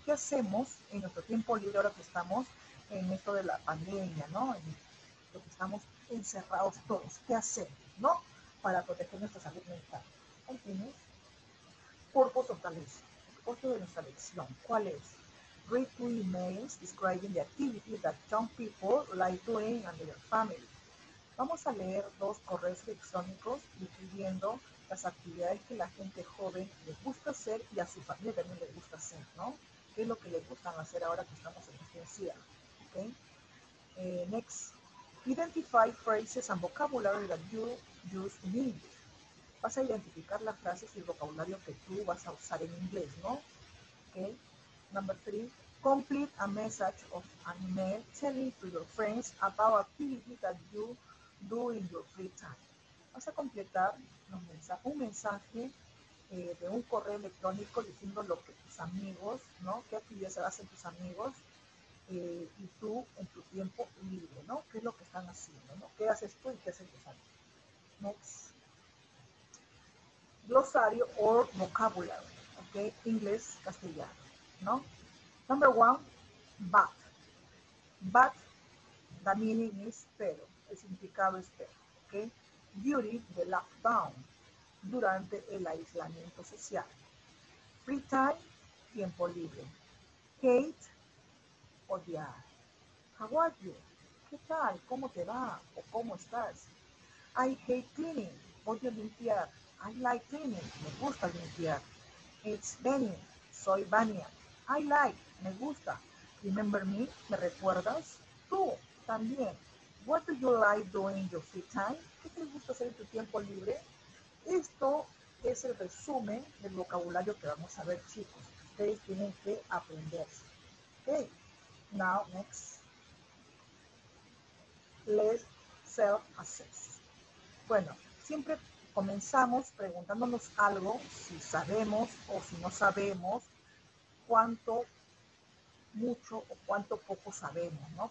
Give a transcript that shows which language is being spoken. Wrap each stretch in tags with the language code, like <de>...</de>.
<es>¿Qué hacemos en nuestro tiempo libre ahora que estamos en esto de la pandemia, ¿no? En lo que estamos encerrados todos. ¿Qué hacemos, ¿no? Para proteger nuestra salud mental. Ahí tienes. Cuerpo totales, el cuerpo de nuestra lección, ¿cuál es?</es> <en>Read two emails describing the activities that young people like doing and their family.</en> <es>Vamos a leer dos correos electrónicos describiendo las actividades que la gente joven les gusta hacer y a su familia también les gusta hacer, ¿no? ¿Qué es lo que les gustan hacer ahora que estamos en este encierro?</es> <en>¿Ok? Next. Identify phrases and vocabulary that you use in English.</en> <es>Vas a identificar las frases y el vocabulario que tú vas a usar en inglés, ¿no? Okay.</es> <en>Number three, complete a message of an email telling to your friends about activity that you do in your free time.</en> <es>Vas a completar un mensaje de un correo electrónico diciendo lo que tus amigos, ¿no? ¿Qué actividades hacen tus amigos y tú en tu tiempo libre, ¿no? ¿Qué es lo que están haciendo, ¿no? ¿Qué haces tú y qué hacen tus amigos? Next. Glosario</es> <en>or vocabulary,</en> <es>ok, inglés, castellano, ¿no?</es> <en>Number one, but. But, the meaning is pero,</en> <es>el significado es pero,</es> <en>ok. During the lockdown,</en> <es>durante el aislamiento social.</es> <en>Free time,</en> <es>tiempo libre.</es> <en>Hate,</en> <es>odiar.</es> <en>How are you?</en> <es>¿Qué tal? ¿Cómo te va? ¿O cómo estás?</es> <en>I hate cleaning,</en> <es>odio limpiar.</es> <en>I like cleaning,</en> <es>me gusta limpiar.</es> <en>It's Benny,</en> <es>soy Vania.</es> <en>I like,</en> <es>me gusta.</es> <en>Remember me,</en> <es>me recuerdas. Tú, también.</es> <en>What do you like doing your free time?</en> <es>¿Qué te gusta hacer en tu tiempo libre? Esto es el resumen del vocabulario que vamos a ver, chicos. Ustedes tienen que aprenderse.</es> <en>Ok, now next. Let's self-assess.</en> <es>Bueno, siempre comenzamos preguntándonos algo, si sabemos o si no sabemos cuánto mucho o cuánto poco sabemos, ¿no?</es>